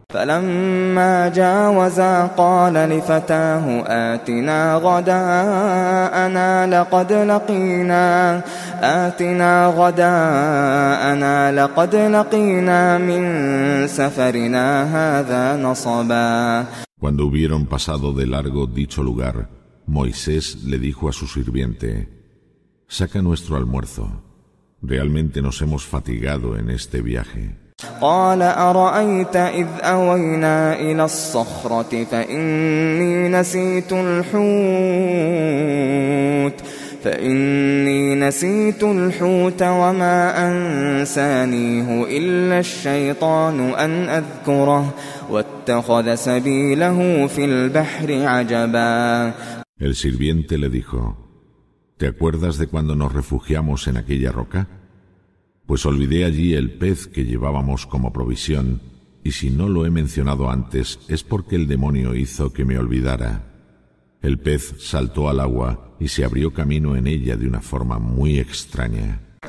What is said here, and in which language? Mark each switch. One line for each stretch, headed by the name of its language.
Arabic: فَلَمَّا جَاوَزَا قَالَ لِفَتَاهُ آتِنَا غَدَاءَنَا لَقَدْ لَقِينَا مِنْ سَفَرِنَا هَذَا نَصَبًا.
Spanish: Cuando hubieron pasado de largo dicho lugar, Moisés le dijo a su sirviente: saca nuestro almuerzo. Realmente nos hemos fatigado en este viaje.
Arabic: قال أرأيت إذ أوينا إلى الصخرة فإني نسيت الحوت وما أنسانيه إلا الشيطان أن أذكره واتخذ سبيله في البحر عجبا.
Spanish: El sirviente le dijo: ¿te acuerdas de cuando nos refugiamos en aquella roca? Pues olvidé allí el pez que llevábamos como provisión, y si no lo he mencionado antes es porque el demonio hizo que me olvidara. El pez saltó al agua y se abrió camino en ella de una forma muy extraña.